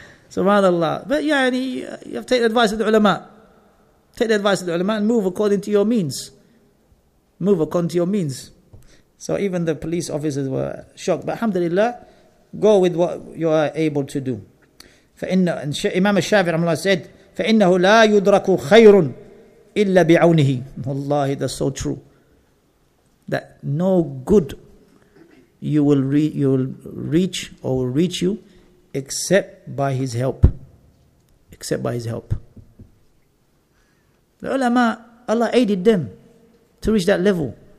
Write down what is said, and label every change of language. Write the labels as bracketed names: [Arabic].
[English] Subhanallah. But yeah, and you have to take the advice of the ulama. Take the advice of the ulama and move according to your means. Move according to your means. So even the police officers were shocked. But alhamdulillah, go with what you are able to do. And Imam al-Shafi'i rahimahullah said, [Arabic] فَإِنَّهُ لَا يُدْرَكُ خَيْرٌ إِلَّا بِعَوْنِهِ. [English] Wallahi, that's so true. That no good you will reach or will reach you except by his help. Except by his help. The ulama, Allah aided them to reach that level.